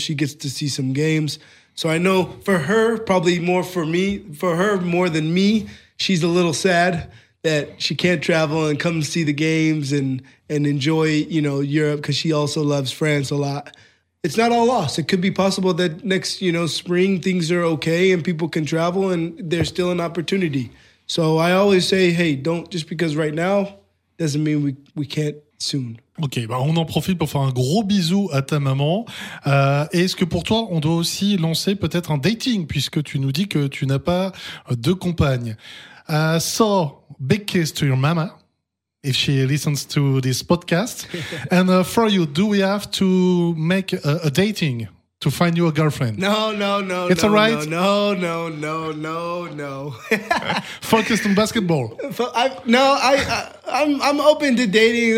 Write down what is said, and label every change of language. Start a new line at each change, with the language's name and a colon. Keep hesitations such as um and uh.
English: She gets to see some games. So I know for her, probably more for me, for her more than me, she's a little sad that she can't travel and come see the games and and enjoy, you know, Europe because she also loves France a lot it's not all lost. It could be possible that next, you know, spring things are okay and people can travel and there's still an opportunity. So I always say, hey, don't just because right now doesn't mean we, we can't soon.
French: Ok, bah on en profite pour faire un gros bisou à ta maman. Euh, et est-ce que pour toi, on doit aussi lancer peut-être un dating, puisque tu nous dis que tu n'as pas de compagne.
English: Uh, so, big kiss to your mama. if she listens to this podcast. and uh, for you, do we have to make a, a dating to find you a girlfriend? No, no, no. It's no, all right. No, no, no, no, no, no. Focused on basketball. So I no, I, I I'm I'm open to dating.